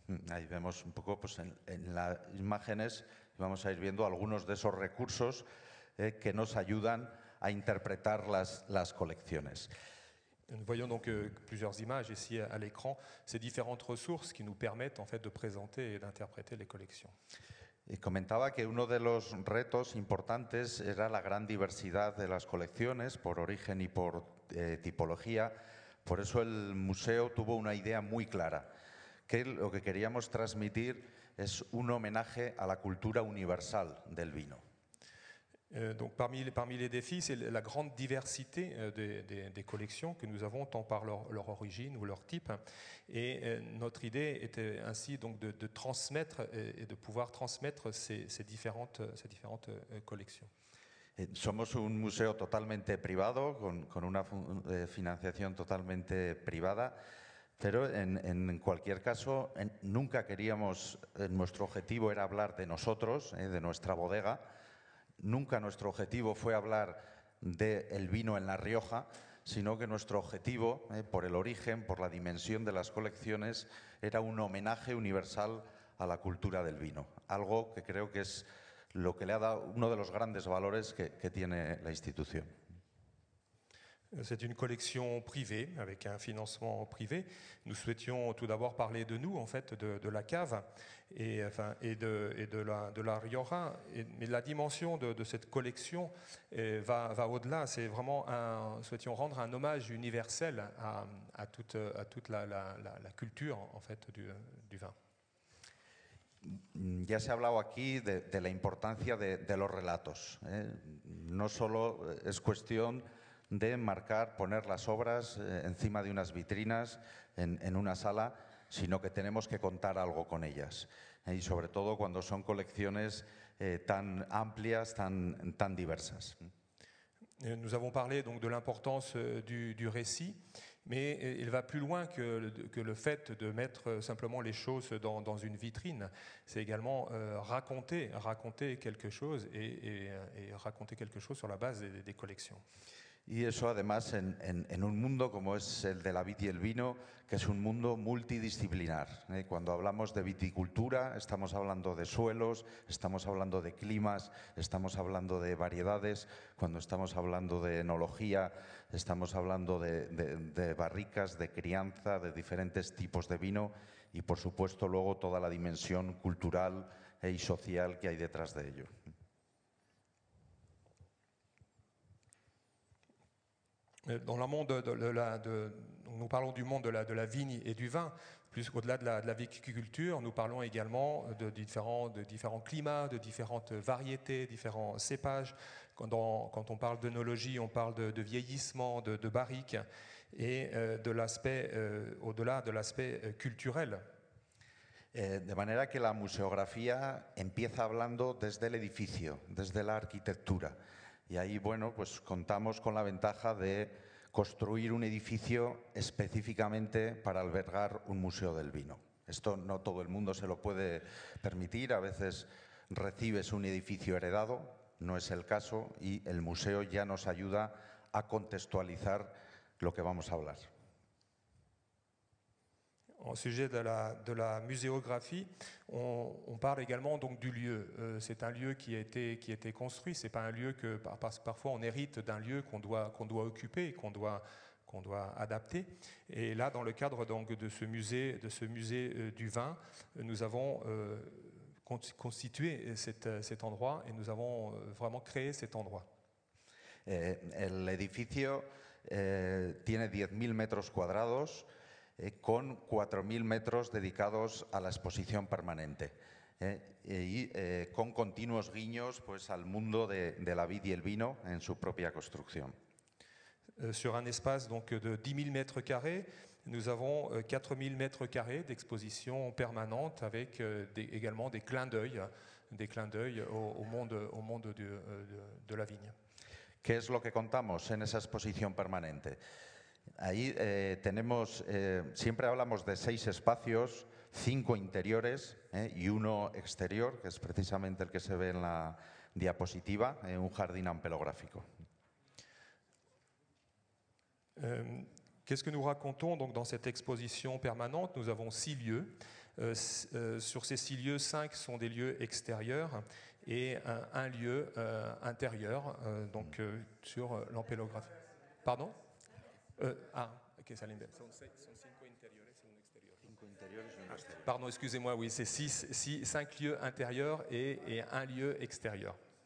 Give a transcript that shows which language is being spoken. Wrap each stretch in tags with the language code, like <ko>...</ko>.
<es>Ahí vemos un poco, pues en las imágenes vamos a ir viendo algunos de esos recursos que nos ayudan a interpretar las colecciones.</es> <fr>Nous voyons donc plusieurs images ici à l'écran, ces différentes ressources qui nous permettent en fait de présenter et d'interpréter les collections.</fr> <es>Y comentaba que uno de los retos importantes era la gran diversidad de las colecciones por origen y por tipología. Por eso el museo tuvo una idea muy clara, que lo que queríamos transmitir es un homenaje a la cultura universal del vino.</es> <fr>Donc parmi les défis, c'est la grande diversité des collections que nous avons, tant par leur origine ou leur type. Et notre idée était ainsi donc de transmettre et de pouvoir transmettre ces différentes collections.</fr> <es>Somos un museo totalmente privado, con una financiación totalmente privada, pero en cualquier caso, nunca queríamos, nuestro objetivo era hablar de nosotros, de nuestra bodega. nunca nuestro objetivo fue hablar del vino en La Rioja, sino que nuestro objetivo, por el origen, por la dimensión de las colecciones, era un homenaje universal a la cultura del vino, algo que creo que es lo que le ha dado uno de los grandes valores que tiene la institución.</es> <fr>C'est une collection privée, avec un financement privé. Nous souhaitions tout d'abord parler de nous, en fait, de la cave et de la Rioja. Mais la dimension de cette collection va au-delà. C'est vraiment nous souhaitions rendre un hommage universel à toute la culture, en fait, du vin.</fr> <es>Ya se ha hablado aquí de la importancia de los relatos. No solo es cuestión de marcar, poner las obras encima de unas vitrinas en una sala, sino que tenemos que contar algo con ellas. Y sobre todo cuando son colecciones tan amplias, tan diversas.</es> <fr>Nous avons parlé donc de l'importance du récit, mais il va plus loin que le fait de mettre simplement les choses dans une vitrine. C'est également raconter quelque chose et raconter quelque chose sur la base des collections.</fr> <es>Y eso además en un mundo como es el de la vid y el vino, que es un mundo multidisciplinar. Cuando hablamos de viticultura, estamos hablando de suelos, estamos hablando de climas, estamos hablando de variedades. Cuando estamos hablando de enología, estamos hablando de barricas, de crianza, de diferentes tipos de vino y, por supuesto, luego toda la dimensión cultural y social que hay detrás de ello.</es> <fr>Dans le monde nous parlons du monde de la vigne et du vin, plus qu'au-delà de la viticulture, nous parlons également de différents climats, de différentes variétés, différents cépages. Quand on parle d'œnologie, on parle de vieillissement, de barrique et de l'aspect au-delà de l'aspect culturel.</fr> <es>De manera que la muséographie empieza hablando desde el edificio, desde la arquitectura. Y ahí, bueno, pues contamos con la ventaja de construir un edificio específicamente para albergar un museo del vino. Esto no todo el mundo se lo puede permitir. A veces recibes un edificio heredado, no es el caso, y el museo ya nos ayuda a contextualizar lo que vamos a hablar.</es> <fr>Au sujet de la muséographie, on parle également donc du lieu. C'est un lieu qui a été construit. C'est pas un lieu que parfois on hérite d'un lieu qu'on doit occuper, qu'on doit adapter. Et là, dans le cadre donc de ce musée du vin, nous avons constitué cet endroit et nous avons vraiment créé cet endroit. L'édifice</fr> <es>tiene</es> <fr>10.000 mètres carrés.</fr> <es>Con 4.000 metros dedicados a la exposición permanente y con continuos guiños pues, al mundo de la vid y el vino en su propia construcción.</es> <fr>Sur un espace donc, de 10.000 mètres carrés, nous avons 4.000 mètres carrés d'exposition permanente avec également des clins d'œil au monde de la vigne.</fr> <es>¿Qué es lo que contamos en esa exposición permanente? Ahí tenemos, siempre hablamos de 6 espacios, 5 interiores y 1 exterior, que es precisamente el que se ve en la diapositiva, un jardín ampelográfico.</es> <fr>Qu'est-ce que nous racontons donc dans cette exposition permanente? Nous avons 6 lieux. Sur ces 6 lieux, 5 sont des lieux extérieurs et un lieu intérieur, donc sur l'ampelographie.</fr> <es>Pardon? Que salen bien. Son 5 interiores y 1 exterior. 5 interiores y 1 exterior.</es> <fr>Pardon, excusez-moi, oui, c'est 5 lieux intérieurs et 1 lieu extérieur.</fr>